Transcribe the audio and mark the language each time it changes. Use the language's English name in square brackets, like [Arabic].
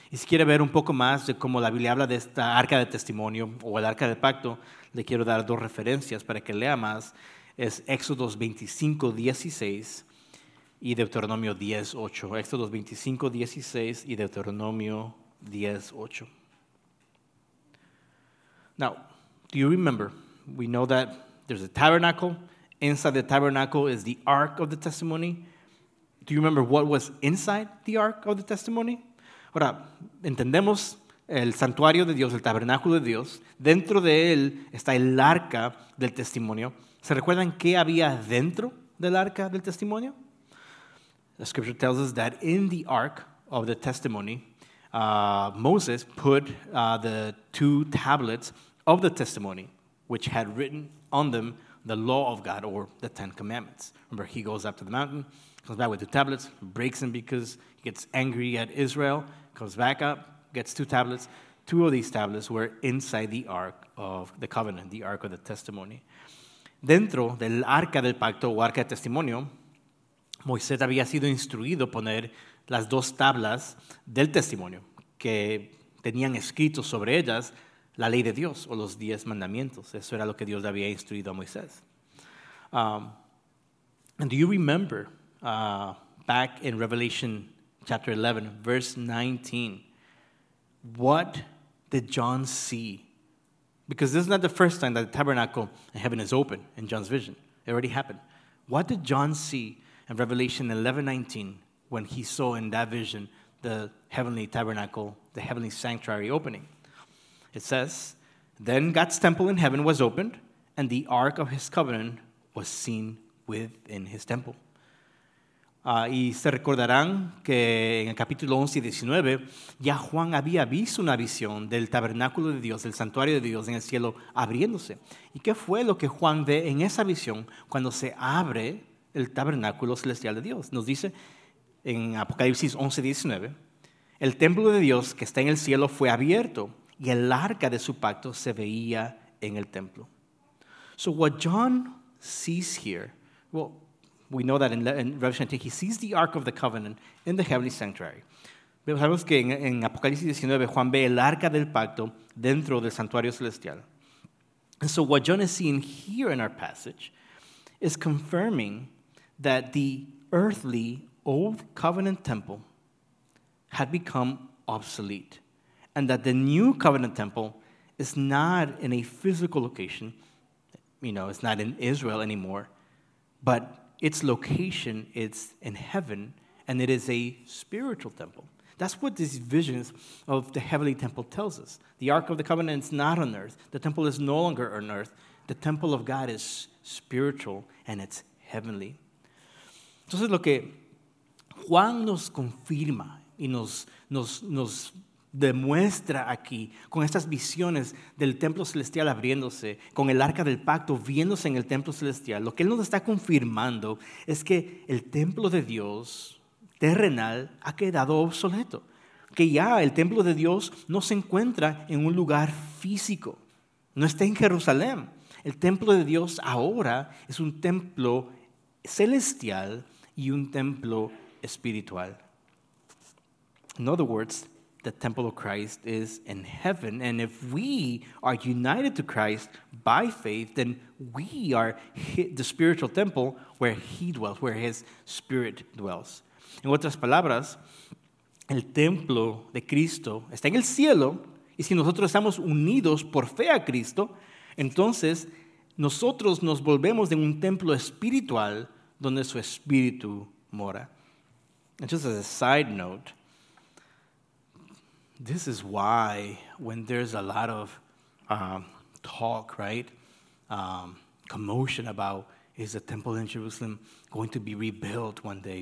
[Spanish] Y si quiere ver un poco más de cómo la Biblia habla de esta arca de testimonio o el arca del pacto, le quiero dar dos referencias para que lea más. Es Éxodos 25:16 y Deuteronomio 10:8. Éxodos 25:16 y Deuteronomio 10:8. [English] Now, do you remember? We know that there's a tabernacle. Inside the tabernacle is the Ark of the Testimony. Do you remember what was inside the Ark of the Testimony? [Spanish] Ahora, entendemos el santuario de Dios, el tabernáculo de Dios. Dentro de él está el Arca del Testimonio. ¿Se recuerdan qué había dentro del Arca del Testimonio? [English] The scripture tells us that in the Ark of the Testimony, Moses put the two tablets of the testimony, which had written on them the law of God, or the Ten Commandments. Remember, he goes up to the mountain, comes back with two tablets, breaks them because he gets angry at Israel, comes back up, gets two tablets. Two of these tablets were inside the Ark of the Covenant, the Ark of the Testimony. [Spanish] Dentro del Arca del Pacto, o Arca de Testimonio, Moisés había sido instruido a poner las dos tablas del testimonio que tenían escrito sobre ellas la ley de Dios, o los 10 mandamientos. Eso era lo que Dios había instruido a Moisés. [English] And do you remember, back in Revelation chapter 11, verse 19, what did John see? Because this is not the first time that the tabernacle in heaven is open in John's vision. It already happened. What did John see in Revelation 11, 19, when he saw in that vision the heavenly tabernacle, the heavenly sanctuary opening? It says, then God's temple in heaven was opened, and the Ark of His Covenant was seen within His temple. [Spanish] Y se recordarán que en el capítulo 11 y 19, ya Juan había visto una visión del tabernáculo de Dios, del santuario de Dios en el cielo abriéndose. ¿Y qué fue lo que Juan ve en esa visión cuando se abre el tabernáculo celestial de Dios? Nos dice en Apocalipsis 11 y 19, el templo de Dios que está en el cielo fue abierto, y el arca de su pacto se veía en el templo. [English] So what John sees here, well, we know that in Revelation 10, he sees the Ark of the Covenant in the heavenly sanctuary. [Spanish] Pero sabemos que en Apocalipsis 19, Juan ve el arca del pacto dentro del santuario celestial. [English] And so what John is seeing here in our passage is confirming that the earthly old covenant temple had become obsolete, and that the new covenant temple is not in a physical location, you know, it's not in Israel anymore, but its location is in heaven, and it is a spiritual temple. That's what these visions of the heavenly temple tells us. The Ark of the Covenant is not on earth. The temple is no longer on earth. The temple of God is spiritual, and it's heavenly. [Spanish] Entonces, lo que Juan nos confirma y nos demuestra aquí con estas visiones del templo celestial abriéndose, con el arca del pacto viéndose en el templo celestial, lo que él nos está confirmando es que el templo de Dios terrenal ha quedado obsoleto, que ya el templo de Dios no se encuentra en un lugar físico, no está en Jerusalén. El templo de Dios ahora es un templo celestial y un templo espiritual. [English] In other words, the temple of Christ is in heaven, and if we are united to Christ by faith, then we are the spiritual temple where He dwells, where His Spirit dwells. [Spanish] En otras palabras, el templo de Cristo está en el cielo, y si nosotros estamos unidos por fe a Cristo, entonces nosotros nos volvemos en un templo espiritual donde su espíritu mora. [English] And just as a side note, this is why when there's a lot of talk, right, commotion about is the temple in Jerusalem going to be rebuilt one day?